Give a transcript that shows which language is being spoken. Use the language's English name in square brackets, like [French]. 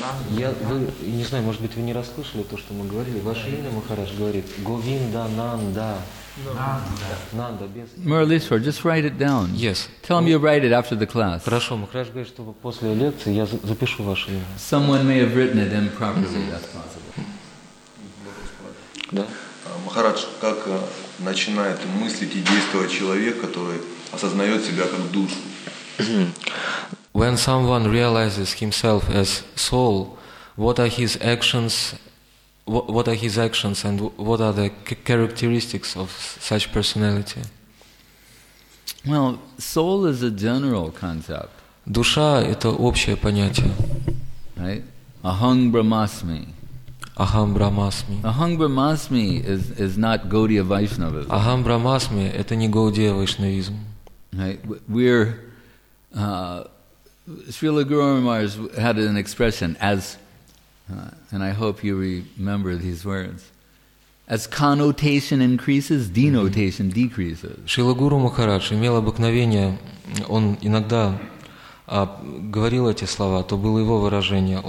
[Russian] Я не знаю, может быть, вы не расслышали то, что мы говорили. Ваше имя, Махарадж, говорит Говинда Нанда. Нанда. [English] Мурлишвар, just write it down. Yes. Tell him you write it after the class. [Russian] Хорошо, Махарадж говорит, что после лекции я запишу ваше имя. [English] Someone may have written it improperly, that's possible. [Russian] Да. Махарадж, как начинает мыслить и действовать человек, который осознает себя как душу? [English] When someone realizes himself as soul, what are his actions and what are the characteristics of such personality? Well, soul is a general concept. [Russian] Душа – это общее понятие. [English] Right? Aham Brahmasmi. [Sanskrit] Aham Brahmasmi. [English] Aham Brahmasmi is not Gaudiya Vaishnavism. [Russian] Aham Brahmasmi – это не Gaudiya Vaishnavism. [English] Right? We're Srila Guru Maharaj had an expression and I hope you remember these words. As connotation increases, denotation decreases. [Russian] Srila Guru Maharaj имел обыкновение, он иногда говорил эти слова, то было его выражение.